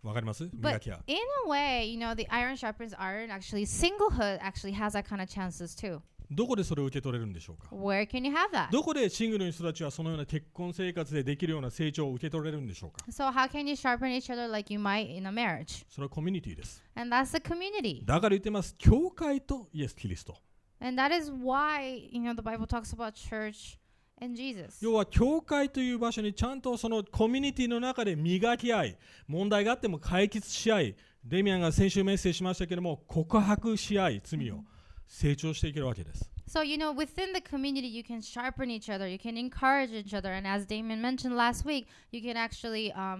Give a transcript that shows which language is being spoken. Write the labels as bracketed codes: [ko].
[ja] わかります？磨き合い。 [en] But in a way, you know, the iron sharpens iron. Actually, singlehood actually has that kind of chances too. [ja] どこでそれを受け取れるんでしょうか。 [en] Where can you have that? [ja] どこでシングルの人たちはそのような結婚生活でできるような成長を受け取れるんでしょうか。 [en] So how can you sharpen each other like you might in a marriage? [ja] それはコミュニティです。 [en] And that's the community. [ja] だから言ってます。教会とイエス・キリスト。 [en] And that is why, you know, the Bible talks about church and Jesus. [ja] 要は教会という場所にちゃんとそのコミュニティの中で磨き合い、問題があっても解決し合い、デミアンが先週メッセージしましたけれども、告白し合い、罪を。成長していけるわけです。 [en] So, you know, within the community, you can sharpen each other, you can encourage each other, and as Damon mentioned last week, you can actually,